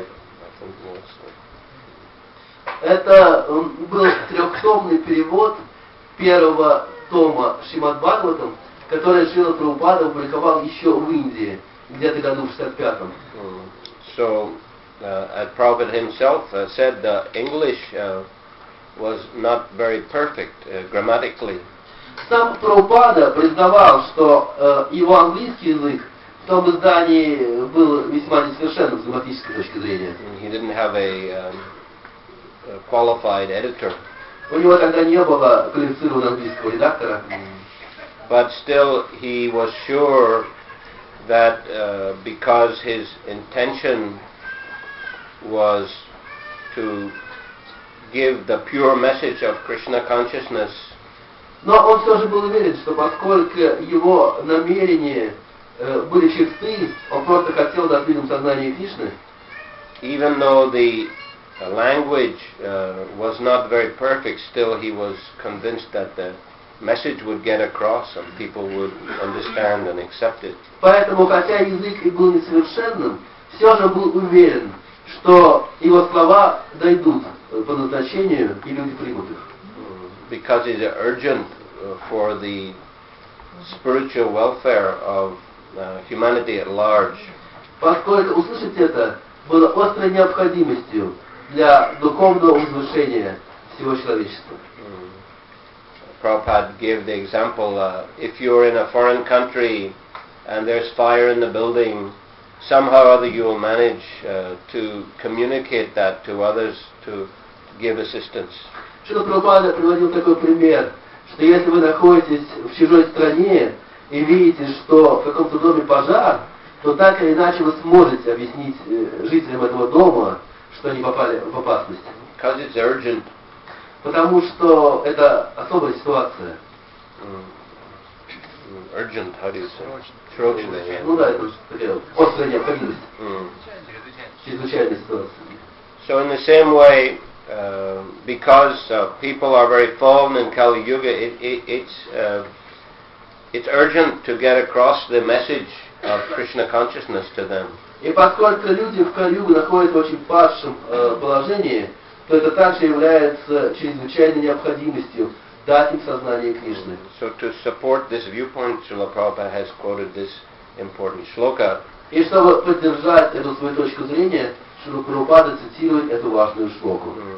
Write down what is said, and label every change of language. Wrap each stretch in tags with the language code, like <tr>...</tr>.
<en>I think it was.</en> <ru>Это был трехтомный перевод первого тома Шримад Бхагаватам, который Шрила Прабхупада опубликовал еще в Индии, где-то году в 65-м.</ru> <en>So, Prabhupada himself said that English was not very perfect grammatically.</en> <ru>Сам Прабхупада признавал, что его английский язык в том издании был весьма несовершенным с грамматической точки зрения.</ru> <en>He didn't have a qualified editor.</en> <ru>У него тогда не было квалифицированного английского редактора.</ru> <en>But still, he was sure that because his intention was to give the pure message of Krishna consciousness.</en> <ru>Но он все же был уверен, что поскольку его намерения были чисты, он просто хотел дать людям сознание Кришны.</ru> <en>Even though the language was not very perfect, still he was convinced that the message would get across and people would understand and accept it.</en> <ru>Поэтому, хотя язык и был несовершенным, все же был уверен, что его слова дойдут по назначению и люди примут их.</ru> <en>Because it's urgent for the spiritual welfare of humanity at large.</en> <ru>Поскольку услышать это было острой необходимостью для духовного возвышения всего человечества.</ru> <en>Prabhupada gave the example, if you're in a foreign country and there's fire in the building, somehow or other you will manage to communicate that to others to give assistance.</en> <ru>Шрила Прабхупада приводил такой пример, что если вы находитесь в чужой стране и видите, что в каком-то доме пожар, то так или иначе вы сможете объяснить жителям этого дома, что они попали в опасность.</ru> <en>Because it's urgent.</en> <ru>Потому что это особая ситуация.</ru> <en>Urgent, how do you say?</en> <ru>Срочная. Ну да, это острая необходимость. Чрезвычайная ситуация.</ru> <en>So in the same way, because people are very fallen in Kali Yuga, it's urgent to get across the message of Krishna consciousness to them.</en> <ru>И поскольку люди в Кали Юге находятся в очень падшем положении, то это также является чрезвычайной необходимостью дать им сознание Кришны.</ru> <en>So to support this viewpoint, Srila Prabhupada has quoted this important shloka.</en> <ru>И чтобы поддержать эту свою точку зрения, Шрила Прабхупада цитирует эту важную шлоку.</ru>